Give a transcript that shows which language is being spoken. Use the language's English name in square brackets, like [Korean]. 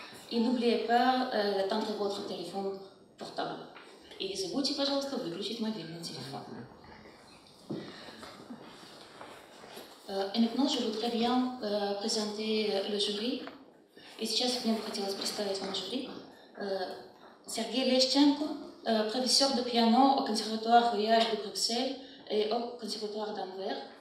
[French] И n'oubliez pas d'éteindre votre téléphone portable. [Russian] И забудьте, пожалуйста, выключить мобильный телефон. [French] Et maintenant, je voudrais bien présenter le jury. [Russian] Et сейчас я бы хотела представить вам жюри. [French] Сергей Лещенко, professeur de piano au Conservatoire Royal de Bruxelles et au Conservatoire d'Anvers.